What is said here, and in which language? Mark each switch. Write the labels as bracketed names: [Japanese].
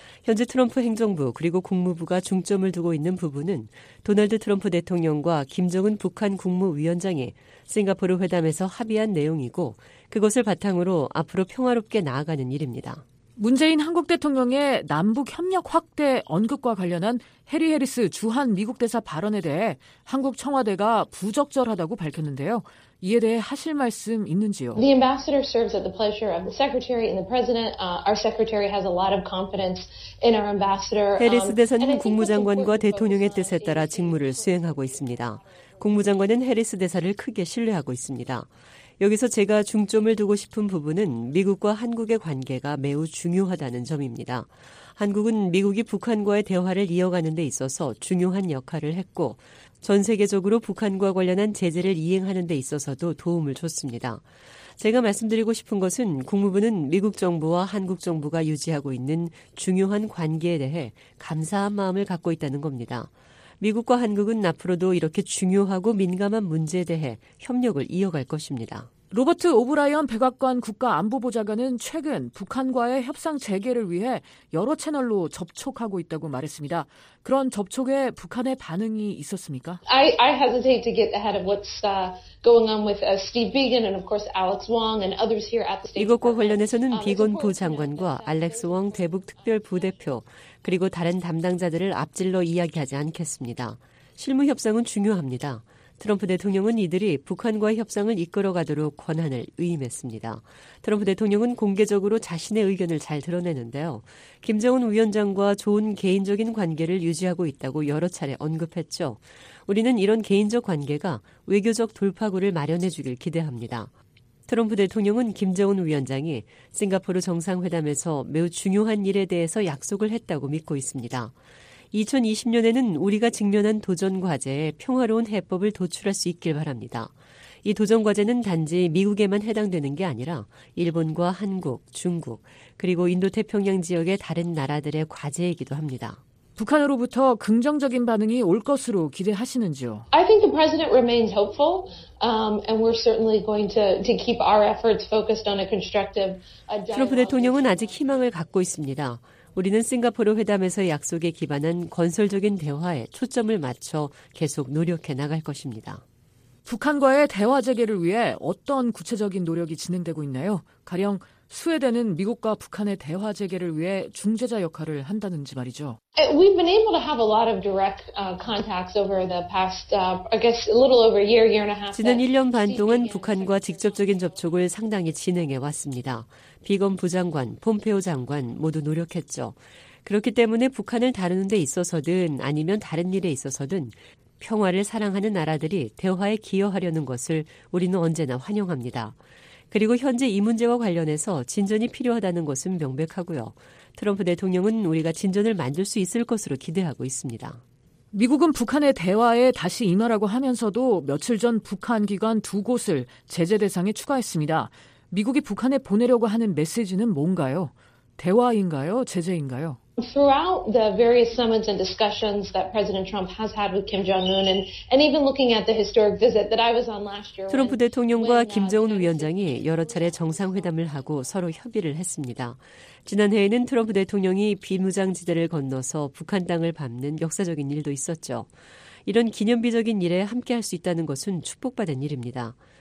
[Korean] 현재 트럼프 행정부 그리고 국무부가 중점을 두고 있는 부분은 도널드 트럼프 대통령과 김정은 북한 국무위원장이 싱가포르 회담에서 합의한 내용이고 그것을 바탕으로 앞으로 평화롭게 나아가는 일입니다. 문재인 한국 대통령의 남북협력 확대 언급과 관련한 해리 해리스 주한미국 대사 발언에 대해 한국 청와대가 부적절하다고 밝혔는데요. 이에 대해 하실 말씀 있는지요? [English] The ambassador serves at the pleasure of the secretary and the president. Our secretary has a lot of confidence in our ambassador. [Korean] 해리스 대사는 국무장관과 대통령의 뜻에 따라 직무를 수행하고 있습니다. 국무장관은 해리스 대사를 크게 신뢰하고 있습니다. 여기서 제가 중점을 두고 싶은 부분은 미국과 한국의 관계가 매우 중요하다는 점입니다. 한국은 미국이 북한과의 대화를 이어가는 데 있어서 중요한 역할을 했고 전 세계적으로 북한과 관련한 제재를 이행하는 데 있어서도 도움을 줬습니다. 제가 말씀드리고 싶은 것은 국무부는 미국 정부와 한국 정부가 유지하고 있는 중요한 관계에 대해 감사한 마음을 갖고 있다는 겁니다. 미국과 한국은 앞으로도 이렇게 중요하고 민감한 문제에 대해 협력을 이어갈 것입니다. 로버트 오브라이언 백악관 국가안보보좌관은 최근 북한과의 협상 재개를 위해 여러 채널로 접촉하고 있다고 말했습니다. 그런 접촉에 북한의 반응이 있었습니까? [English] I hesitate to get ahead of what's going on with Steve Biegun and of course Alex Wong and others here at the State. [Korean] 이것과 관련해서는 비건 부장관과 알렉스 웡 대북 특별 부대표 그리고 다른 담당자들을 앞질러 이야기하지 않겠습니다. 실무 협상은 중요합니다. 트럼프 대통령은 이들이 북한과의 협상을 이끌어가도록 권한을 위임했습니다. 트럼프 대통령은 공개적으로 자신의 의견을 잘 드러내는데요. 김정은 위원장과 좋은 개인적인 관계를 유지하고 있다고 여러 차례 언급했죠. 우리는 이런 개인적 관계가 외교적 돌파구를 마련해주길 기대합니다. 트럼프 대통령은 김정은 위원장이 싱가포르 정상회담에서 매우 중요한 일에 대해서 약속을 했다고 믿고 있습니다. 2020년에는 우리가 직면한 도전 과제에 평화로운 해법을 도출할 수 있길 바랍니다. 이 도전 과제는 단지 미국에만 해당되는 게 아니라 일본과 한국, 중국, 그리고 인도태평양 지역의 다른 나라들의 과제이기도 합니다. 북한으로부터 긍정적인 반응이 올 것으로 기대하시는지요? [English] I think the president remains hopeful, and we're certainly going to keep our efforts focused on a constructive dialogue. [Korean] 트럼프 대통령은 아직 희망을 갖고 있습니다. 우리는 싱가포르 회담에서 약속에 기반한 건설적인 대화에 초점을 맞춰 계속 노력해 나갈 것입니다. 북한과의 대화 재개를 위해 어떤 구체적인 노력이 진행되고 있나요? 가령 스웨덴은 미국과 북한의 대화 재개를 위해 중재자 역할을 한다는지 말이죠. [English] We've been able to have a lot of direct contacts over the past, I guess, a little over a year, year and a half. [Korean] 지난 1년 반 동안 북한과 직접적인 접촉을 상당히 진행해 왔습니다. 비건 부장관, 폼페오 장관 모두 노력했죠. 그렇기 때문에 북한을 다루는 데 있어서든 아니면 다른 일에 있어서든 평화를 사랑하는 나라들이 대화에 기여하려는 것을 우리는 언제나 환영합니다. 그리고 현재 이 문제와 관련해서 진전이 필요하다는 것은 명백하고요. 트럼프 대통령은 우리가 진전을 만들 수 있을 것으로 기대하고 있습니다. 미국은 북한의 대화에 다시 임하라고 하면서도 며칠 전 북한 기관 두 곳을 제재 대상에 추가했습니다. 미국이 북한에 보내려고 하는 메시지는 뭔가요? 대화인가요? 제재인가요? [English] Throughout the various summits and discussions that President Trump has had with Kim Jong-un and even looking at the historic visit that I was on last year. [Korean] 트럼프 대통령과 김정은 위원장이 여러 차례 정상회담을 하고 서로 협의를 했습니다. 지난해에는 트럼프 대통령이 비무장지대를 건너서 북한 땅을 밟는 역사적인 일도 있었죠. 이런 기념비적인 일에 함께할 수 있다는 것은 축복받은 일입니다.